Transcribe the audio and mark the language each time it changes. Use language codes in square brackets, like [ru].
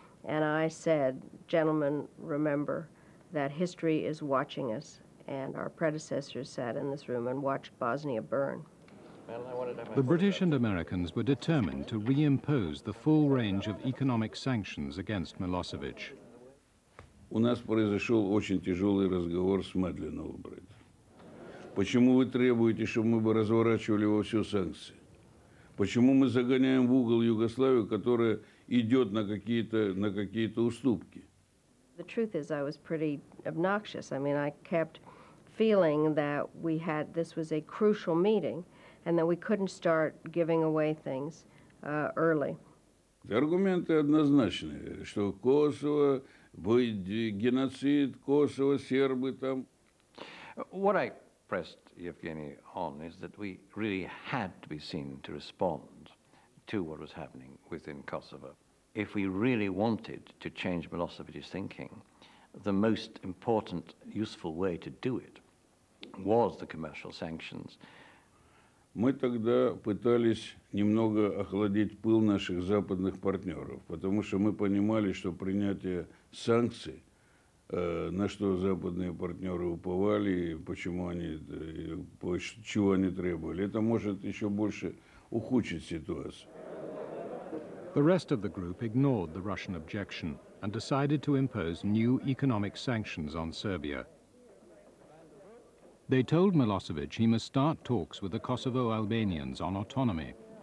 [en] And I said, gentlemen, remember that history is watching us, and our predecessors sat in this room and watched Bosnia burn. The British and Americans were determined to reimpose the full range of economic sanctions against Milosevic. [ru] У нас произошел очень тяжелый разговор с Мадлен Олбрайт. Почему вы требуете, чтобы мы бы разворачивали во все санкции? Почему мы загоняем в угол Югославию, которая идет на какие-то уступки? [en] The truth is, I was pretty obnoxious. I mean, I kept feeling that we had this was a crucial meeting, and that we couldn't start giving away things early. [ru] Аргументы однозначные, что Косово. [en] What I pressed Yevgeny on is that we really had to be seen to respond to what was happening within Kosovo. If we really wanted to change Milosevic's thinking, the most important, useful way to do it was the commercial sanctions. [ru] Мы тогда пытались немного охладить пыл наших западных партнеров, потому что мы понимали, что принятие санкций, на что западные партнеры уповали, чего они требовали, это может еще больше ухудшить ситуацию. [en] The rest of the group ignored the Russian objection and decided to impose new economic sanctions on Serbia. They told Milosevic he must start talks with the Kosovo Albanians on autonomy.